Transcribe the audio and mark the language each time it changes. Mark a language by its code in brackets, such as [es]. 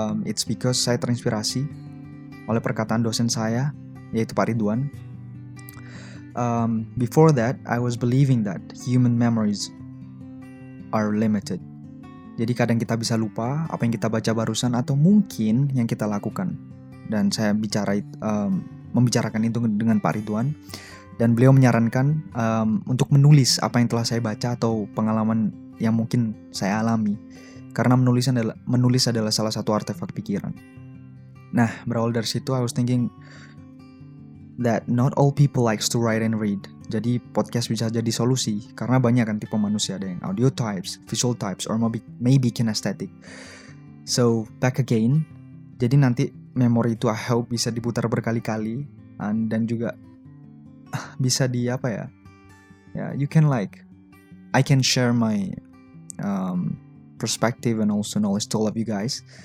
[en] It's because [id] saya terinspirasi oleh perkataan dosen saya, yaitu Pak Ridwan. [en] Before that, I was believing that human memories are limited. [id] Jadi kadang kita bisa lupa apa yang kita baca barusan atau mungkin yang kita lakukan. Dan saya membicarakan itu dengan Pak Ridwan. Dan beliau menyarankan untuk menulis apa yang telah saya baca atau pengalaman yang mungkin saya alami. Karena menulis adalah salah satu artefak pikiran. Nah, berawal dari situ, [en] I was thinking that not all people likes to write and read. [id] Jadi podcast bisa jadi solusi, karena banyak kan tipe manusia, ada yang audio types, visual types, [en] or maybe kinesthetic. So, back again. [id] Jadi nanti memori itu [en] I hope [id] bisa diputar berkali-kali, dan juga bisa di apa ya? [en] Yeah, you can like, I can share my perspective and also knowledge to all of you guys.